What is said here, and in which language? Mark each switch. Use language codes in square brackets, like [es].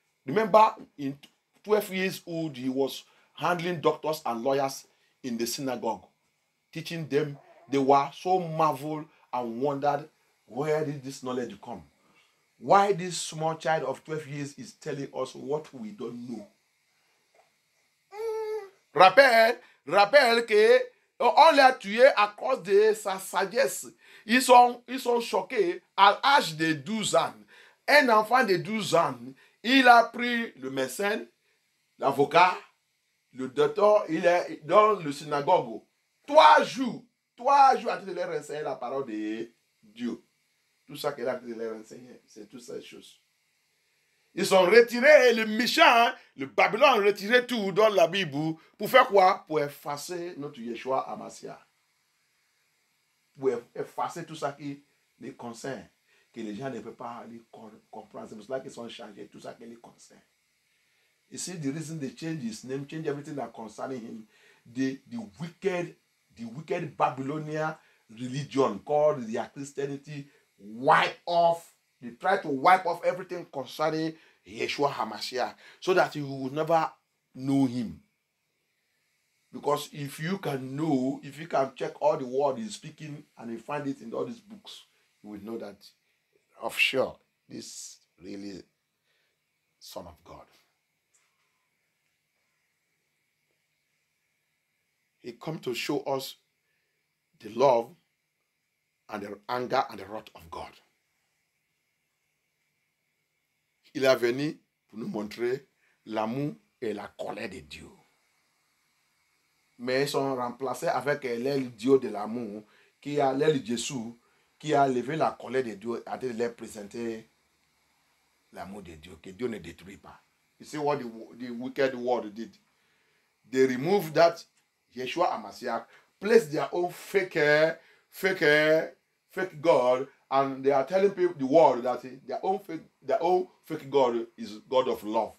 [en] Remember, in 12 years old, he was handling doctors and lawyers in the synagogue, teaching them. They were so marveled and wondered, where did this knowledge come? Why this small child of 12 years is telling us what we don't know? [fr] Rappel que on l'a tué à cause de sa sagesse. Ils sont choqués à l'âge de 12 ans. Un enfant de 12 ans, il a pris le médecin, l'avocat, le docteur, il est dans le synagogue. Trois jours à te leur enseigner la parole de Dieu. Tout ça qu'elle a de leur enseigner, c'est toutes ces choses. Ils sont retirés, le méchant, le Babylon, retiré tout dans la Bible. Pour faire quoi? Pour effacer notre Yeshua Amasia. Pour effacer tout ça qui les concerne. Que les gens ne peuvent pas les comprendre. C'est pour cela qu'ils sont changés, tout ça qui les concerne. [en] You see, the reason they change his name, change everything that concerning him, the wicked Babylonian religion called their Christianity wipe off. They try to wipe off everything concerning Yeshua HaMashiach so that you will never know him. Because if you can know, if you can check all the word he's speaking and you find it in all these books, you will know that of sure, this really son of God. He come to show us the love and the anger and the wrath of God. [fr] Il est venu pour nous montrer l'amour et la colère de Dieu. Mais ils sont remplacés avec l'aile Dieu de l'amour, qui a l'aile Jésus, qui a levé la colère de Dieu et a été leur présenter l'amour de Dieu, que Dieu ne détruit pas. [en] You see what the wicked world did? They removed that Yeshua HaMashiach, place their own fake God And they are telling people, the world, that their own fake God is God of love.